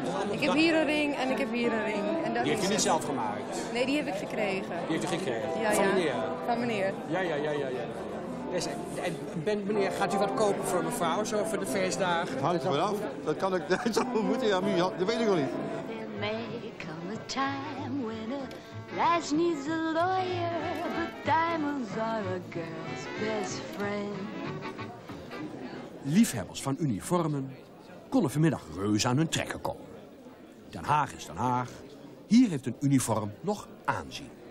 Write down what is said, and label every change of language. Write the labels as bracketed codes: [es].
[nl] ik heb hier een ring en ik heb hier een ring. En dat die heeft u niet zelf gemaakt? Nee, die heb ik gekregen. Die heeft u gekregen? Ja, van ja. Meneer? Van meneer. Ja. En meneer, gaat u wat kopen voor mevrouw, zo voor de feestdagen? Dat hangt ervan af. Dat kan ik. Dat zou moeten, ja, dat weet ik al niet. [en] There may come a time when a lass needs a lawyer, but diamonds are a girl's best friend. [nl] Liefhebbers van uniformen konden vanmiddag reuze aan hun trekken komen. Den Haag is Den Haag. Hier heeft een uniform nog aanzien.